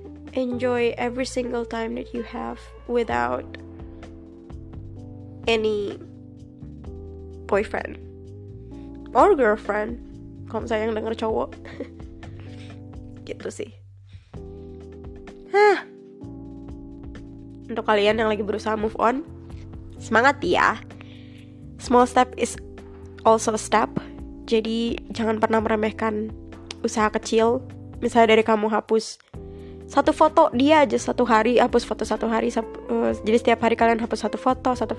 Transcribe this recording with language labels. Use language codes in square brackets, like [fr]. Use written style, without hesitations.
[en] Enjoy every single time that you have without any boyfriend or girlfriend. [id] Kalau misalnya yang denger cowok, gitu sih. Untuk kalian yang lagi berusaha move on, semangat ya. [en] Small step is also a step. [id] Jadi jangan pernah meremehkan usaha kecil. Misalnya dari kamu hapus satu foto dia aja satu hari, hapus foto satu hari, jadi setiap hari kalian hapus satu foto.